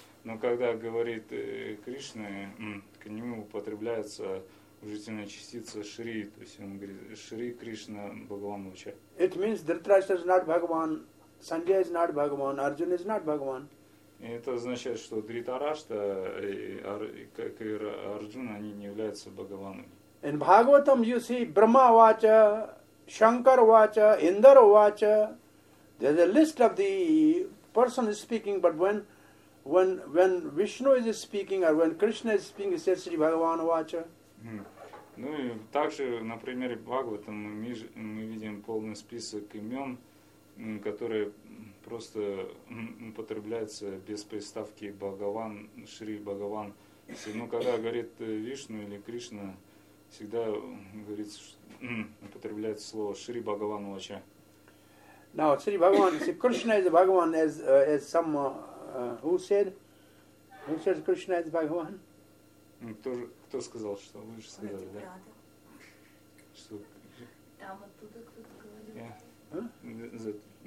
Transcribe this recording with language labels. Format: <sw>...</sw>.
<ru>Но когда говорит Кришна, к нему употребляется жительная частица Шри, то есть он говорит Шри Кришна Бхагаван Вача.</ru> <en>It means Dhritarashtra is not Bhagavan. Sanjaya is not Bhagavan, Arjuna is not Bhagavan.</en> <ru>Это означает, что Дритарашта и Арджуна они не являются Бхагаванами.</ru> <en>In Bhagavatam you see Brahma Vacha, Shankar Vacha, Indra Vacha. There's a list of the person is speaking, but when Vishnu is speaking or when Krishna is speaking, it says Sri Bhagavan Vacha.</en> <ru>Ну и также на примере Бхагаватам мы видим полный список имен. Которые просто употребляются без приставки Бхагаван, Шри Бхагаван. Но когда говорит Вишну или Кришна, всегда говорится, что употребляется слово Шри Бхагаван Вача.</ru> <en>Now, Шри Бхагаван, Кришна is Бхагаван, as some, who said? Who says Кришна is Бхагаван?</en> <ru>Кто сказал, что вы же сказали, да? Что? Там оттуда кто-то говорил.</ru>